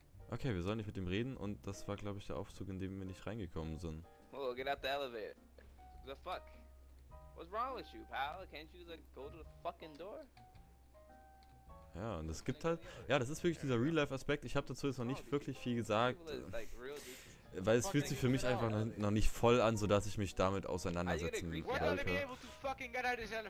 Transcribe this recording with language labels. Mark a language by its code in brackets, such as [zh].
[de] Okay, wir sollen nicht mit ihm reden und das war, glaube ich, der Aufzug, in dem wir nicht reingekommen sind. [en] Oh, get out the elevator. The fuck? What's wrong with you, pal? Can't you like go to the fucking door? [de] Ja, und es gibt halt, ja, das ist wirklich dieser Real-Life-Aspekt. Ich habe dazu jetzt noch nicht wirklich viel gesagt, weil es fühlt sich für mich einfach noch nicht voll an, sodass ich mich damit auseinandersetzen wollte.